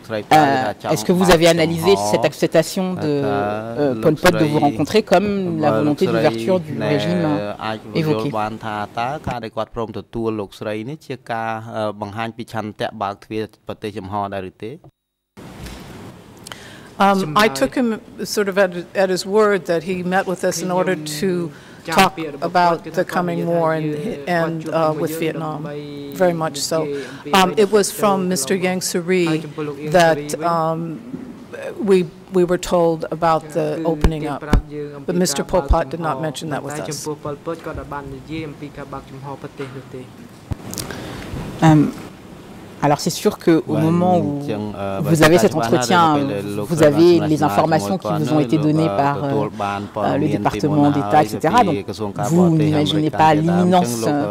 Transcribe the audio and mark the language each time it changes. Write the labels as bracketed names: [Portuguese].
[French] Est-ce que vous avez analysé cette acceptation de Pol Pot de vous rencontrer comme la volonté d'ouverture du régime évoqué? [English] I took him sort of at his word that he met with us in order to talk about the coming war and with Vietnam, very much so. It was from Mr. Yang Suri that we were told about the opening up, but Mr. Pol Pot did not mention that with us. [French] Alors c'est sûr qu'au moment où vous avez cet entretien, vous avez les informations qui vous ont été données par le département d'État, etc. Donc vous n'imaginez pas l'imminence